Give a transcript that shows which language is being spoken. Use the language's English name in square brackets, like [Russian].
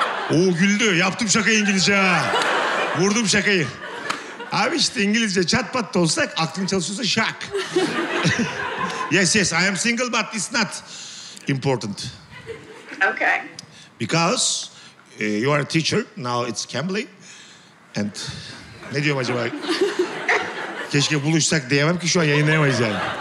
[Turkish] Oo güldü. Yaptım şakayı İngilizce ha. Vurdum şakayı. Abi işte İngilizce çat pat olsa, aklın çalışıyorsa şak. [English] Yes, yes, I am single but it's not important. Okay. Because you are a teacher, now it's Cambly. And [Turkish] ne diyorum acaba? Keşke buluşsak diyemem ki, şu an yayınlayamayız yani.